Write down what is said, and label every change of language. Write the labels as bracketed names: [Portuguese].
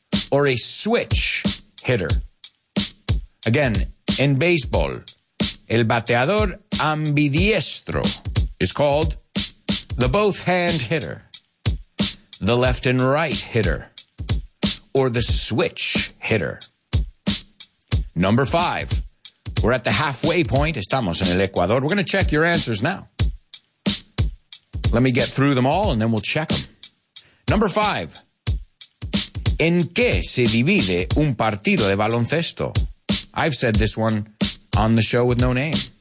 [English] Or a switch hitter? Again, in baseball, [Spanish] el bateador ambidiestro [English] is called the both hand hitter, the left and right hitter, or the switch hitter. Number five, we're at the halfway point. [Spanish] Estamos en el Ecuador. [English] We're going to check your answers now. Let me get through them all and then we'll check them. Number five, [Spanish] ¿en qué se divide un partido de baloncesto? [English] I've said this one on the show with no name.